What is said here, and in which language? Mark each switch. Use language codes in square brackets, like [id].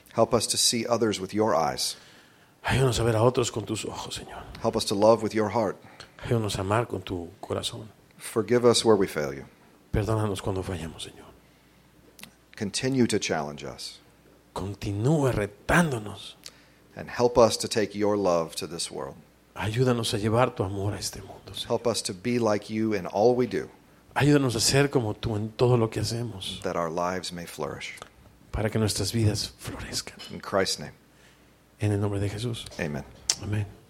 [en] Help us to see others with your eyes. [es] Ayúdanos a ver a otros con tus ojos, Señor. [en] Help us to love with your heart. [es] Ayúdanos a amar con tu corazón. [en] Forgive us where we fail you. [es] Perdónanos cuando fallamos, Señor. [en] Continue to challenge us. [es] Continúa retándonos. [en] And help us to take your love to this world. [es] Ayúdanos a llevar tu amor a este mundo, Señor. [en] Help us to be like you in all we do. [es] Ayúdanos a ser como tú en todo lo que hacemos. [en] That our lives may flourish. [es] Para que nuestras vidas florezcan. [en] In Christ's name. [es] En el nombre de Jesús. [en] Amen. [es] Amén.